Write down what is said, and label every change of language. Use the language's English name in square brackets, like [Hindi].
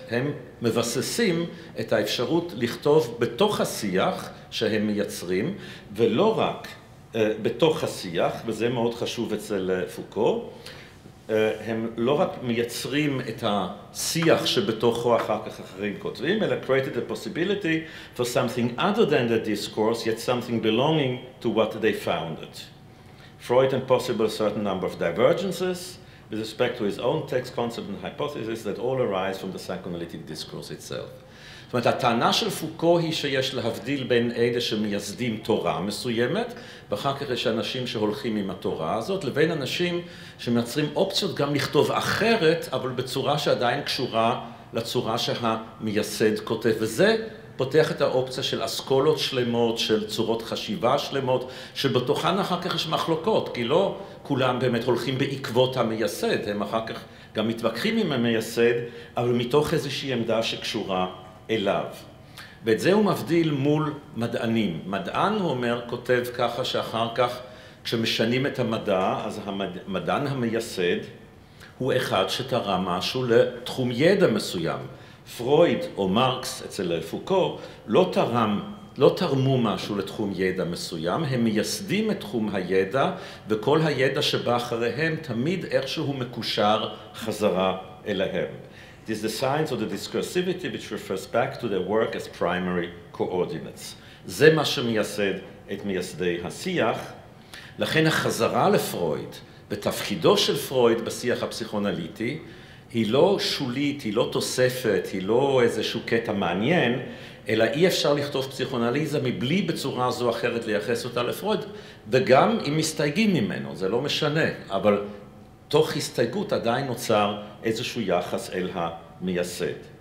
[Hebrew] הם מבססים את האפשרות לכתוב בתוך השיח שהם מייצרים, ולא רק בתוך השיח, וזה מאוד חשוב אצל פוקו, הם לא רק מייצרים את השיח שבתוכו אחר כך אחרים כותבים, אלא [English] created a possibility for something other than the discourse, yet something belonging to what they founded. Freud and possible a certain number of divergences with respect to his own text, concept and hypothesis that all arise from the psychoanalytic discourse itself. [Hebrew] זאת אומרת, הטענה של פוקו היא שיש להבדיל בין אלה שמייסדים תורה מסוימת, ואחר כך יש אנשים שהולכים עם התורה הזאת, לבין אנשים שמייצרים אופציות גם לכתוב אחרת, אבל בצורה שעדיין קשורה לצורה שהמייסד כותב. וזה פותח את האופציה של אסכולות שלמות, של צורות חשיבה שלמות, שבתוכן אחר כך יש מחלוקות, כי לא כולם באמת הולכים בעקבות המייסד, הם אחר כך גם מתווכחים עם המייסד, אבל מתוך איזושהי עמדה שקשורה אליו. ואת זה הוא מבדיל מול מדענים. מדען, הוא אומר, כותב ככה שאחר כך כשמשנים את המדע, אז המדען המייסד הוא אחד שתרם משהו לתחום ידע מסוים. פרויד או מרקס אצל פוקו לא תרמו משהו לתחום ידע מסוים, הם מייסדים את תחום הידע, וכל הידע שבא אחריהם תמיד איכשהו מקושר חזרה אליהם. [English] It is the science of the discursivity which refers back to their work as primary coordinates. [Hebrew] זה מה שמייסד את מייסדי השיח. לכן החזרה לפרויד בתפקידו של פרויד בשיח הפסיכואנליטי היא לא שולית, היא לא תוספת, היא לא איזשהו קטע מעניין, אלא אי אפשר לכתוב פסיכואנליזה מבלי בצורה זו או אחרת לייחס אותה לפרויד, וגם אם מסתייגים ממנו, זה לא משנה, אבל תוך הסתייגות עדיין נוצר איזשהו יחס אל המייסד.